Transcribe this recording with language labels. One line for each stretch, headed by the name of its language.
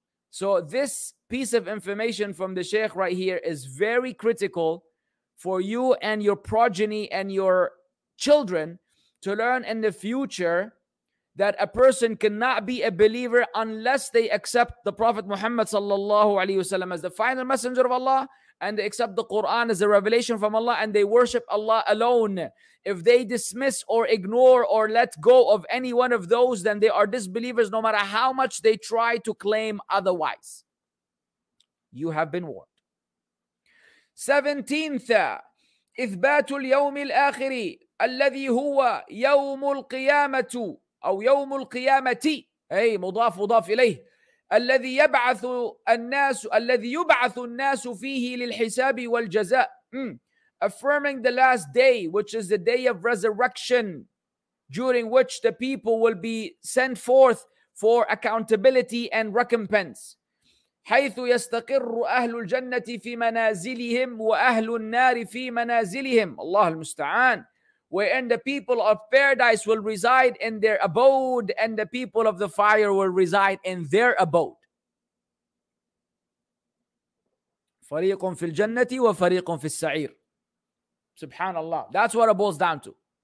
English: So this piece of information from the Sheikh right here is very critical for you and your progeny and your children to learn in the future, that a person cannot be a believer unless they accept the Prophet Muhammad sallallahu alaihi wasallam as the final messenger of Allah, and they accept the Quran as a revelation from Allah, and they worship Allah alone. If they dismiss or ignore or let go of any one of those, then they are disbelievers, no matter how much they try to claim otherwise. You have been warned.
Arabic: 17th, إثبات اليوم الآخر الذي هو يوم القيامة أو يوم القيامة أي مضاف مضاف إليه الذي يبعث الناس الذي يبعث الناس فيه للحساب والجزاء.
English: Affirming the last day, which is the day of resurrection, during which the people will be sent forth for accountability and recompense.
Arabic: حيث يستقر أهل الجنة في منازلهم وأهل النار في منازلهم. الله المستعان.
English: Wherein the people of paradise will reside in their abode, and the people of the fire will reside in their abode.
Arabic: فَرِيقٌ فِي الْجَنَّةِ وَفَرِيقٌ فِي السَّعِيرِ. Subhanallah.
English: That's what it boils down to.